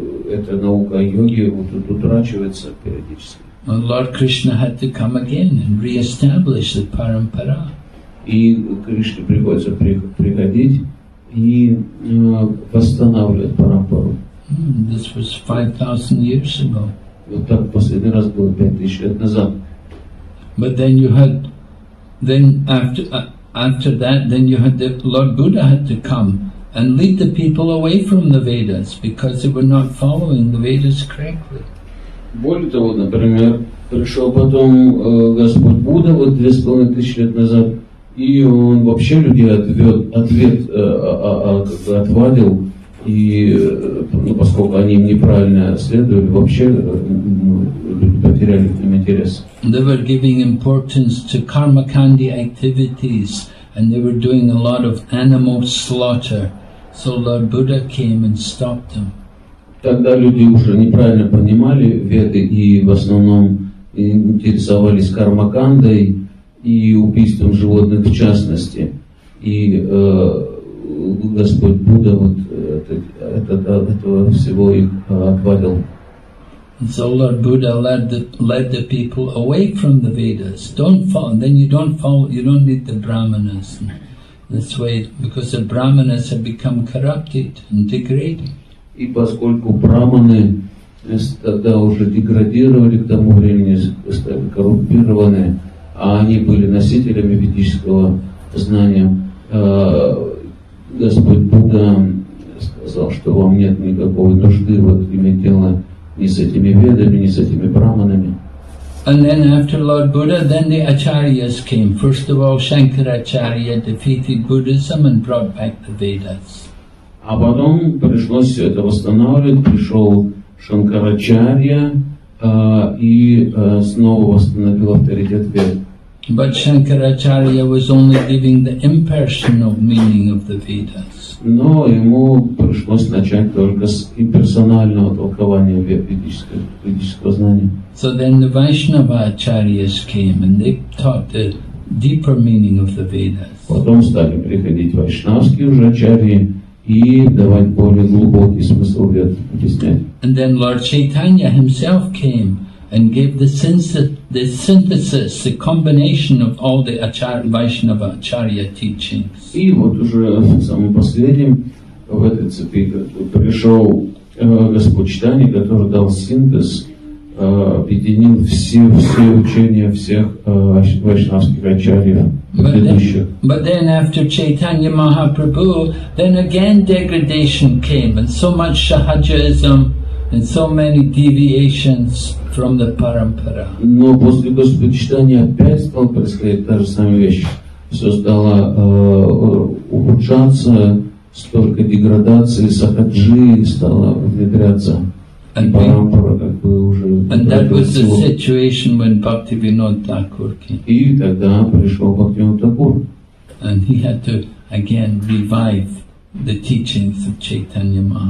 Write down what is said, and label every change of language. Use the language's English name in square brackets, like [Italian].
[Russian] Эта наука йоги утрачивается периодически. [English] And Lord Krishna had to come again and re-establish the parampara. [Russian] И Кришне приходится приходить и восстанавливать парампару. [English] This was 5,000 years ago. [Russian] Вот так последний раз было 5,000 лет назад. [English] But then after that, Lord Buddha had to come and lead the people away from the Vedas because they were not following the Vedas correctly. [Russian] Более того, например, пришел потом Господь Будда вот 2,500 лет назад. И он вообще людей отвадил, и ну, поскольку они им неправильно следовали, вообще люди потеряли к ним интерес. [English] They were giving importance to karmakandi activities, and they were doing a lot of animal slaughter. So Lord Buddha came and stopped them. [Russian] Тогда люди уже неправильно понимали веды и в основном интересовались кармакандой. И убийством животных в частности. И Господь Будда вот этого всего их отвадил. [English] So Lord Buddha led the people away from the Vedas. Don't fall, then you don't fall, you don't need the Brahmanas. That's why, because the Brahmanas have become corrupted and degraded. [Russian] И поскольку Брахманы тогда уже деградировали к тому времени, стали коррумпированы, а они были носителями ведического знания, Господь Будда сказал, что вам нет никакой нужды вот иметь дело ни с этими ведами, ни с этими брахманами. [English] And then after Lord Buddha, then the Acharyas came. First of all, Shankaracharya defeated Buddhism and brought back the Vedas. [Russian] А потом пришлось все это восстанавливать, пришел Шанкарачарья и снова восстановил авторитет Вед. [English] But Shankaracharya was only giving the impersonal meaning of the Vedas. [Russian] Но ему пришлось начать только с имперсонального толкования ведического знания. [English] So then the Vaishnava Acharyas came and they taught the deeper meaning of the Vedas. [Russian] Потом стали приходить вайшнавские уже ачарьи и давать более глубокий смысл вед объяснять. [English] And then Lord Chaitanya himself came and gave the synthesis, the combination of all the Vaishnava Acharya teachings. [Russian] И вот уже самым последним в этой цепи пришел Господь Читания, который дал синтез, объединил все учения всех вайшнавских ачарьев. [English] But then after Chaitanya Mahaprabhu, then again degradation came and so much Sahajism and so many deviations from the parampara. [Russian] Но после Господа Читания опять стал происходить та же самая вещь. Все стало ухудшаться, столько деградации, сахаджи стало внедряться. [English] And that was the situation when Bhaktivinod Thakur came. And he had to again revive the teachings of Chaitanya